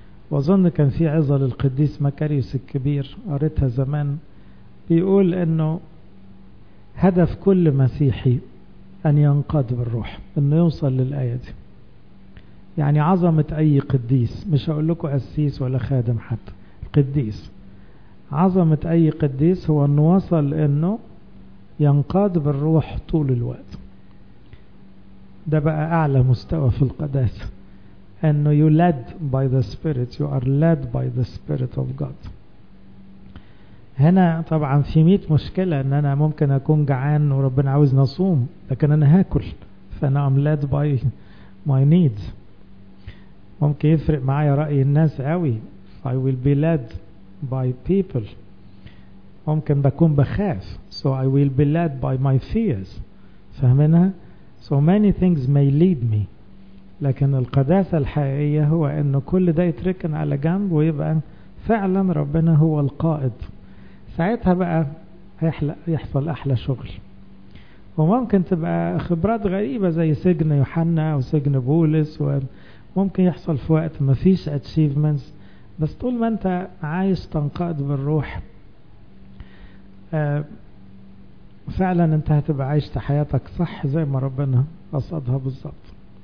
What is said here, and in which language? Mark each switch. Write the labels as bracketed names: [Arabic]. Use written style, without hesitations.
[Arabic] وظن كان في عظة للقديس مكاريوس الكبير قريتها زمان، بيقول أنه هدف كل مسيحي أن ينقاد بالروح، أنه يوصل للآية دي. يعني عظمة أي قديس، مش هقول لكم قسيس ولا خادم حتى، قديس، عظمة أي قديس هو أنه وصل أنه ينقاد بالروح طول الوقت. ده بقى أعلى مستوى في القداسة، أنه [English] you led by the spirit، you are led by the spirit of God. [Arabic] هنا طبعا في 100 مشكلة، أن أنا ممكن أكون جعان وربنا عاوز نصوم، لكن أنا هاكل، فأنا [English] I'm led by my needs. [Arabic] ممكن يفرق معايا رأي الناس قوي، [English] I will be led by people. [Arabic] ممكن بكون بخاف، [English] so I will be led by my fears. [Arabic] فهمنا؟ [English] So many things may lead me، [Arabic] لكن القداسة الحقيقية هو أنه كل ده يتركن على جنب، ويبقى فعلا ربنا هو القائد. ساعتها بقى يحصل أحلى شغل. وممكن تبقى خبرات غريبة زي سجن يوحنا وسجن بولس، وممكن يحصل في وقت ما فيش achievements، بس طول ما أنت عايش تنقاد بالروح فعلا أنت هتبقى عايش حياتك صح زي ما ربنا قصدها بالظبط.